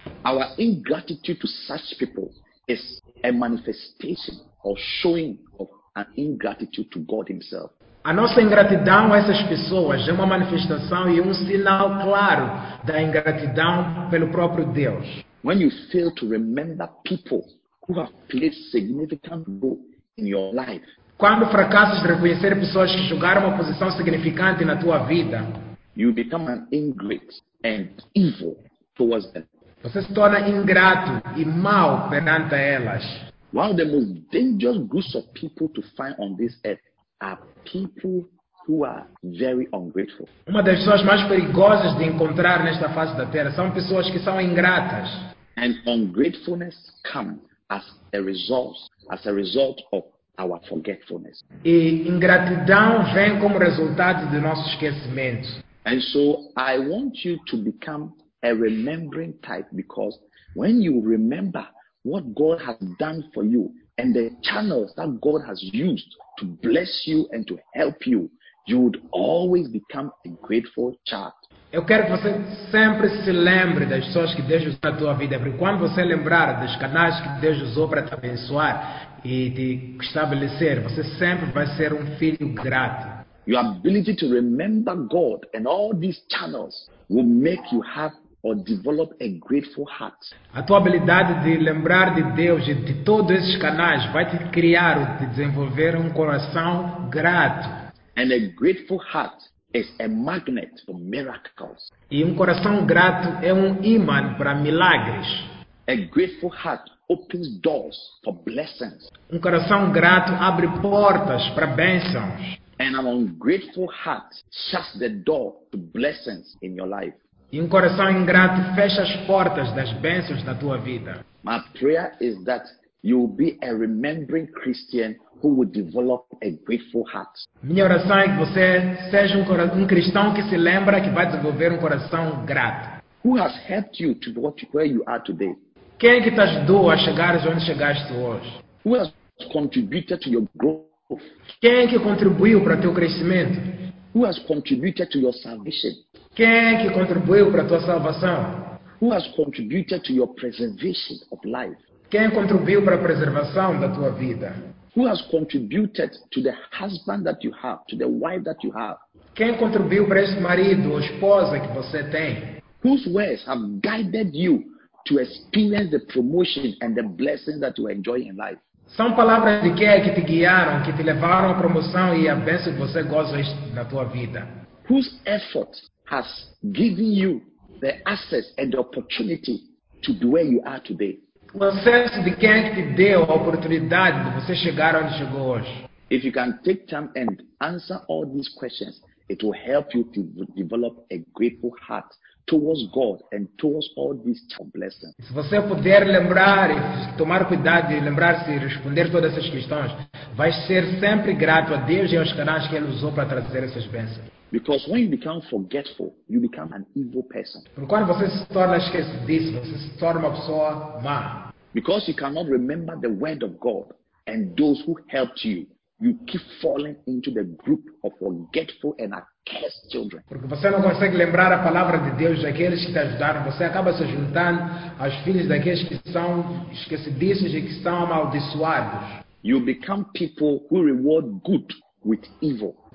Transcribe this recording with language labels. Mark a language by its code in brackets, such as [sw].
[en] Our ingratitude to such people is a manifestation or showing of an ingratitude to God Himself. [pt] A nossa ingratidão a essas pessoas é uma manifestação e um sinal claro da ingratidão pelo próprio Deus. [en] When you fail to remember people who have played significant role in your life. [pt] Quando fracassas de reconhecer pessoas que jogaram uma posição significante na tua vida, [en] you become an ingrate and evil towards them. [pt] Você se torna ingrato e mau perante elas. [en] One of the most dangerous groups of people to find on this earth are people who are very ungrateful. [pt] Uma das pessoas mais perigosas de encontrar nesta face da Terra são pessoas que são ingratas. [en] And ungratefulness comes as a result of our forgetfulness. [pt] E ingratidão vem como resultado do nosso esquecimento. [en] And so I want you to become a remembering type, because when you remember what God has done for you and the channels that God has used to bless you and to help you, you would always become a grateful child. [pt] Eu quero que você sempre se lembre das pessoas que Deus usou na tua vida, porque quando você lembrar dos canais que Deus usou para te abençoar e te estabelecer, você sempre vai ser um filho grato. [en] Your ability to remember God and all these channels will make you have or develop a grateful heart. [pt] A tua habilidade de lembrar de Deus e de todos esses canais vai te criar ou te desenvolver um coração grato. [en] And a grateful heart is a magnet for miracles. [pt] E um coração grato é um imã para milagres. [en] A grateful heart opens doors for blessings. [pt] Um coração grato abre portas para bênçãos. [en] And an ungrateful heart shuts the door to blessings in your life. [pt] E um coração ingrato fecha as portas das bênçãos da tua vida. [en] My prayer is that you will be a remembering Christian who will develop a grateful heart. [pt] Minha oração é que você seja um cristão que se lembra que vai desenvolver um coração grato. [en] Who has helped you to be where you are today? [pt] Quem é que te ajudou a chegar onde chegaste hoje? [en] Who has contributed to your growth? [pt] Quem é que contribuiu para teu crescimento? [en] Who has contributed to your salvation? [pt] Quem é que contribuiu para a tua salvação? [en] Who has contributed to your preservation of life? [pt] Quem contribuiu para a preservação da tua vida? [en] Who has contributed to the husband that you have, to the wife that you have? [pt] Quem contribuiu para esse marido ou esposa que você tem? [en] Whose words have guided you to experience the promotion and the blessings that you enjoy in life? [pt] São palavras de quem que te guiaram, que te levaram à promoção e à bênção que você goza na tua vida? [en] Whose effort has given you the access and the opportunity to be where you are today? [pt] O acesso de quem que te deu a oportunidade de você chegar onde chegou hoje? [en] If you can take time and answer all these questions, it will help you to develop a grateful heart towards God and towards all these blessings. [pt] Se você puder lembrar e tomar cuidado de lembrar-se e responder todas essas questões, vai ser sempre grato a Deus e aos canais que Ele usou para trazer essas bênçãos. [en] Because when you become forgetful, you become an evil person. [pt] Porque quando você se torna esquecido, você se torna uma pessoa má. [en] Because you cannot remember the word of God and those who helped you, you keep falling into the group of forgetful and accursed children. [pt] Porque você não consegue lembrar a palavra de Deus daqueles que te ajudaram, você acaba se juntando aos filhos daqueles que são esquecidos e que são amaldiçoados. [en] You become people who reward good with evil.